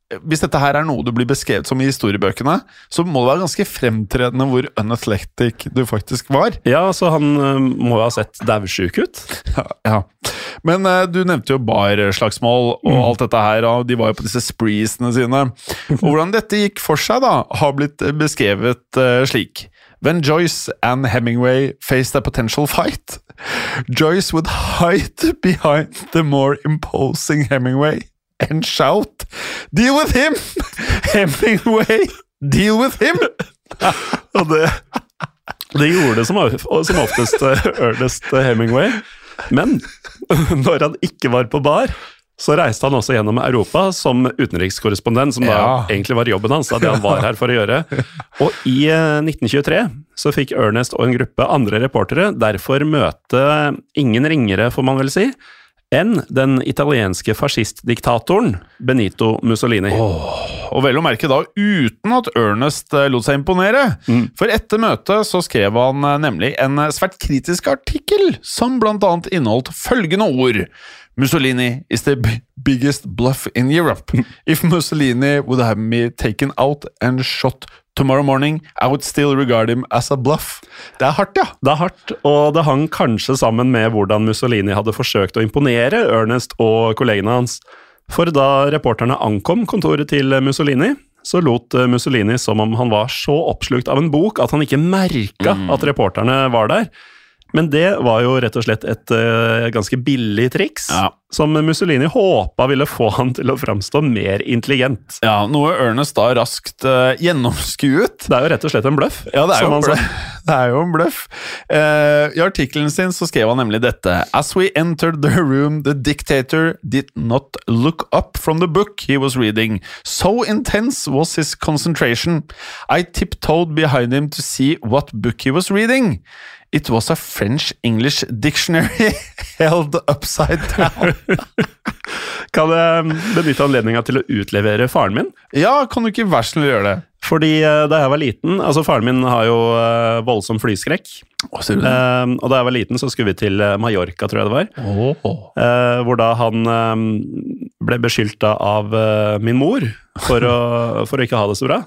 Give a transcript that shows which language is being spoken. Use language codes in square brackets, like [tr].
[no] Hvis dette her er noe du blir beskrevet som i historiebøkene, så må det være ganske fremtredende hvor unathletic du faktisk var. Ja, så han må ha sett davsjuk ut. Ja. Men du nevnte jo bare slagsmål og alt dette her, og de var jo på disse spreesene sine. Og hvordan dette gikk for seg da, har blitt beskrevet slik. [en] When Joyce and Hemingway faced a potential fight, Joyce would hide behind the more imposing Hemingway. And shout, deal with him, Hemingway, deal with him. [no] Og det gjorde det som oftest Ernest Hemingway. Men når han ikke var på bar, så reiste han også gjennom Europa som utenrikskorrespondent, som da egentlig var jobben hans, da det han var her for å gjøre. Og i 1923 så fikk Ernest og en gruppe andre reportere derfor møte ingen ringere, får man vel si, enn den italienske fascistdiktatoren Benito Mussolini. Oh, og vel å merke da, uten at Ernest lot seg imponere. Mm. For etter møtet så skrev han nemlig en svært kritisk artikkel, som blant annet inneholdt følgende ord. [en] Mussolini is the biggest bluff in Europe. If Mussolini would have me taken out and shot tomorrow morning, I would still regard him as a bluff. [no] Det er hardt, ja. Det er hardt, og det hang kanskje sammen med hvordan Mussolini hadde forsøkt å imponere Ernest og kollegene hans. For da reporterne ankom kontoret til Mussolini, så lot Mussolini som om han var så oppslukt av en bok at han ikke merket at reporterne var der. Men det var jo rett og slett et ganske billig triks, ja. Som Mussolini håpet ville få han til å fremstå mer intelligent. Ja, noe Ernest da raskt gjennomskuet. Det er jo rett og slett en bløff. Ja, det er jo en bløff. I artiklen sin så skrev han nemlig dette. [en] As we entered the room, the dictator did not look up from the book he was reading. So intense was his concentration. I tiptoed behind him to see what book he was reading. It was a French-English dictionary held upside down. [no] Kan jeg benytte anledningen til å utlevere faren min? Ja, kan du ikke være snill gjøre det? Fordi da jeg var liten, altså faren min har jo voldsom flyskrekk. Hva sier du det? Og da jeg var liten så skulle vi til Mallorca, tror jeg det var. Oh. Hvor da han ble beskyldt av min mor for å ikke ha det så bra.